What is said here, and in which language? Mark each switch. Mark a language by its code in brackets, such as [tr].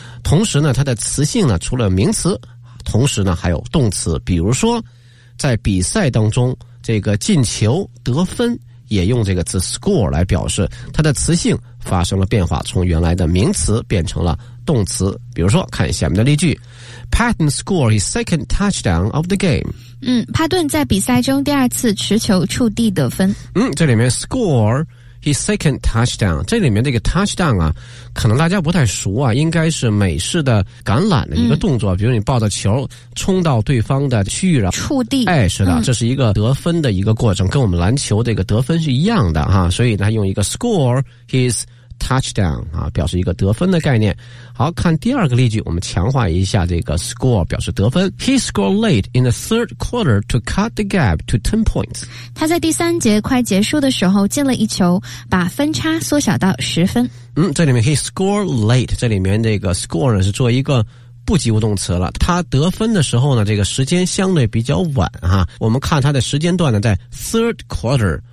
[zh] 同时呢，它的词性呢，除了名词，同时呢还有动词。比如说在比赛当中，这个进球得分也用这个词 score 来表示，它的词性发生了变化，从原来的名词变成了动词。 [en] 比如说看下面的例句， Patton scored his second touchdown of the game。 [zh] 帕顿在比赛中第二次持球触地得分。这里面 [en] score his second touchdown， [zh] 这里面这个 touchdown 啊，可能大家不太熟啊，应该是美式的橄榄的一个动作，比如你抱着球冲到对方的区域上触地，哎，是的，这是一个得分的一个过程，跟我们篮球这个得分是一样的哈，所以他用一个 [en] score his touchdown [zh] 啊，表示一个得分的概念。好，看第二个例句，我们强化一下这个 score 表示得分。 [en] He scored late in the third quarter to cut the gap to 10 points。 [zh] 他在第三节快结束的时候进了一球，把分差缩小到10分。这里面 [en] he scored late， [zh] 这里面这个 score 呢是做一个不及物动词了，他得分的时候呢，这个时间相对比较晚哈。我们看他的时间段呢，在 third quarter。